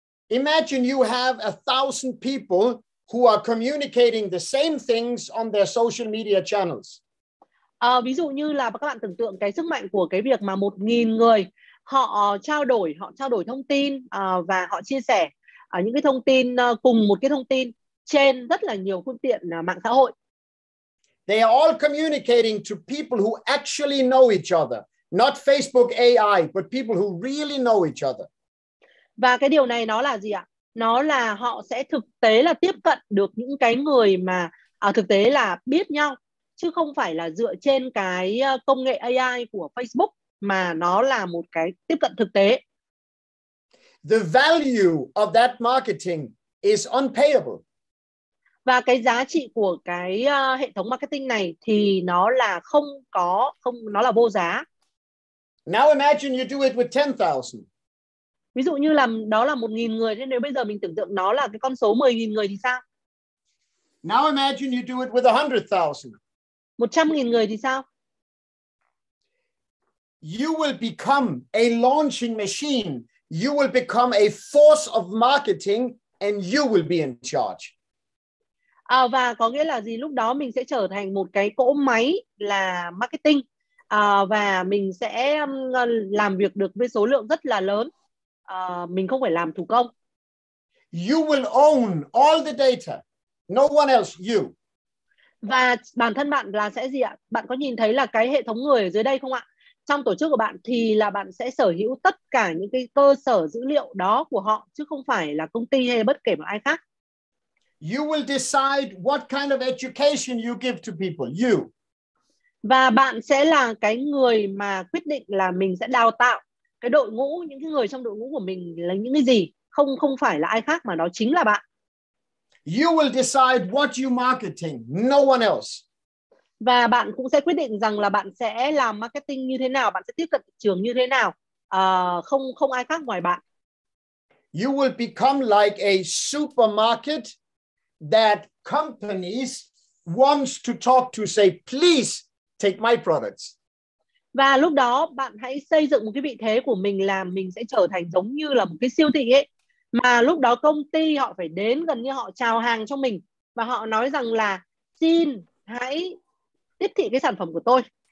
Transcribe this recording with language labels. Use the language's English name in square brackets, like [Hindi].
[English] Imagine you have 1,000 people who are communicating the same things on their social media channels. [Vietnamese] Ví dụ như là các bạn tưởng tượng cái sức mạnh của cái việc mà 1,000 người họ trao đổi thông tin và họ chia sẻ những cái thông tin cùng một cái thông tin trên rất là nhiều phương tiện mạng xã hội. [English] They are all communicating to people who actually know each other, not Facebook AI, but people who really know each other. [Vietnamese] Và cái điều này nó là gì ạ? Nó là họ sẽ thực tế là tiếp cận được những cái người mà thực tế là biết nhau, chứ không phải là dựa trên cái công nghệ AI của Facebook, mà nó là một cái tiếp cận thực tế. [English] The value of that marketing is unpayable. [Vietnamese] Và cái giá trị của cái hệ thống marketing này thì nó là nó là vô giá. [English] Now imagine you do it with 10,000. [Vietnamese] Ví dụ như là đó là 1,000 người, thế nếu bây giờ mình tưởng tượng nó là cái con số 10,000 người thì sao? [English] Now imagine you do it with 100,000. [Vietnamese] 100,000 người thì sao? [English] You will become a launching machine. You will become a force of marketing and you will be in charge. [Vietnamese] À, và có nghĩa là gì? Lúc đó mình sẽ trở thành một cái cỗ máy là marketing và mình sẽ làm việc được với số lượng rất là lớn. Mình không phải làm thủ công. [English] You will own all the data. No one else, you. [Vietnamese] Và bản thân bạn là sẽ gì ạ? Bạn có nhìn thấy là cái hệ thống người ở dưới đây không ạ? Trong tổ chức của bạn thì là bạn sẽ sở hữu tất cả những cái cơ sở dữ liệu đó của họ chứ không phải là công ty hay bất kể một ai khác. [English] You will decide what kind of education you give to people, you. [Vietnamese] Và bạn sẽ là cái người mà quyết định là mình sẽ đào tạo cái đội ngũ, những cái người trong đội ngũ của mình là những cái gì, không phải là ai khác mà đó chính là bạn. [English] You will decide what you marketing, no one else. [Vietnamese] Và bạn cũng sẽ quyết định rằng là bạn sẽ làm marketing như thế nào, bạn sẽ tiếp cận thị trường như thế nào, không ai khác ngoài bạn. [English] You will become like a supermarket that companies wants to talk to, say, please take my products. [Vietnamese] Và lúc đó bạn hãy xây dựng một cái vị thế của mình là mình sẽ trở thành giống như là một cái siêu thị ấy. Mà lúc đó công ty họ phải đến gần như họ chào hàng cho mình và họ nói rằng là xin hãy tiếp thị cái sản phẩm của tôi.